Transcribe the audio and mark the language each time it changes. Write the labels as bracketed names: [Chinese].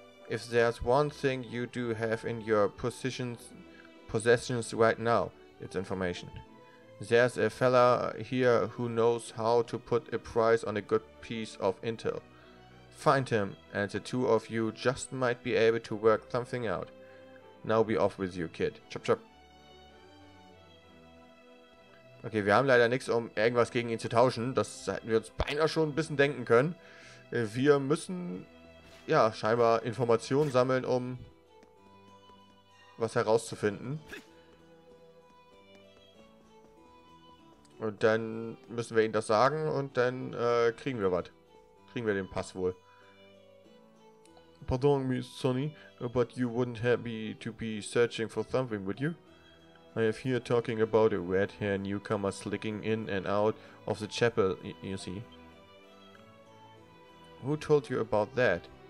[English] If there's one thing you do have in your possessions right now, it's information. There's a fella here who knows how to put a price on a good piece of intel. Find him, and the two of you just might be able to work something out. Now be off with you, kid. Chop chop. [German] Okay, wir haben leider nichts, um irgendwas gegen ihn zu tauschen. Das hätten wir uns beinahe schon ein bisschen denken können. Wir müssen, ja, scheinbar Informationen sammeln, um was herauszufinden. Und dann müssen wir ihnen das sagen und dann kriegen wir was. Kriegen wir den Pass wohl. [English] Pardon, Miss Sonny, but you wouldn't happy to be searching for something, would you? I have here talking about a red-haired newcomer slicking in and out of the chapel, you see. Who told you about that?